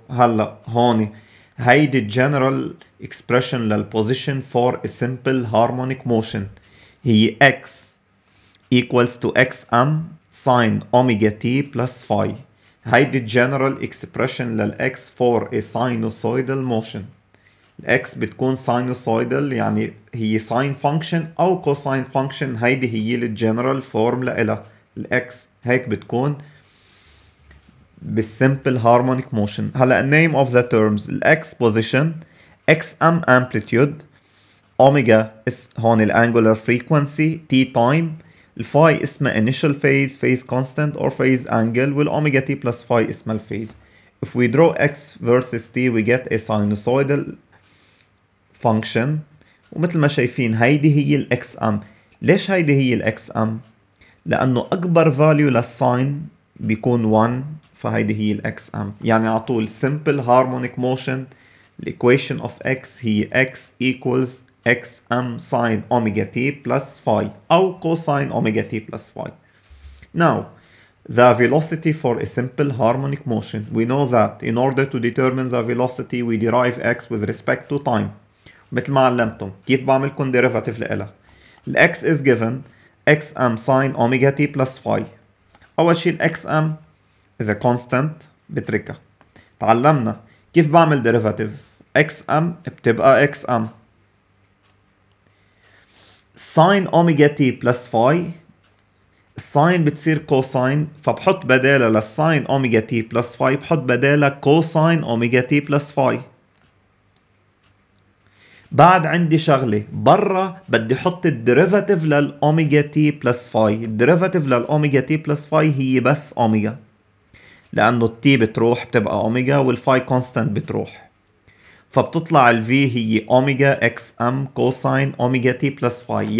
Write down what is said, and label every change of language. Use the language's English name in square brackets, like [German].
[Arabic] هلا هون هيدي [English] general expression للposition for a simple harmonic motion هي x equals to xm sin omega t plus phi. [Arabic] هيدي [English] general expression للx for a sinusoidal motion. [Arabic] الx بتكون sinusoidal يعني هي sine function أو cosine function، هيدي هي [English] general form [Arabic] لإلها. الx هيك بتكون بالsimple harmonic motion. [English] هلا name of the terms، الx position، xm amplitude، omega is هون ال angular frequency، t time، الفاي اسمه initial phase، phase constant or phase angle، والأوميجا تي بلس فاي اسمه الphase. If we draw x versus t we get a sinusoidal function. [Arabic] ومثل ما شايفين هيدي هي ال xm. ليش هيدي هي ال xm؟ لأنه أكبر value للساين بيكون 1، فهيدي هي ال xm. يعني عطول [English] simple harmonic motion ال equation of x هي x equals xm sin omega t plus phi أو cosine omega t plus phi. Now the velocity for a simple harmonic motion. We know that in order to determine the velocity we derive x with respect to time. [Arabic] مثل ما علمتم كيف بعملكم derivative لإلها. [English] The x is given xm sin omega t plus phi. [Arabic] أول شيء [English] xm is a constant [Arabic] بتركها. تعلمنا كيف بعمل [English] derivative xm بتبقى xm sin omega t plus phi. [Arabic] الساين بتصير كوساين، فبحط بدالة للساين أوميجا تي بلس فاي بحط بدالة كوساين أوميجا تي بلس فاي. بعد عندي شغلة برا بدي حط الدريفاتيف للأوميجا تي بلس فاي. الدريفاتيف للأوميجا تي بلس فاي هي بس أوميجا، لأنه التي بتروح بتبقى أوميجا والفاي كونستانت بتروح، فبتطلع الفي هي أوميجا إكس أم كوساين أوميجا تي بلس فاي.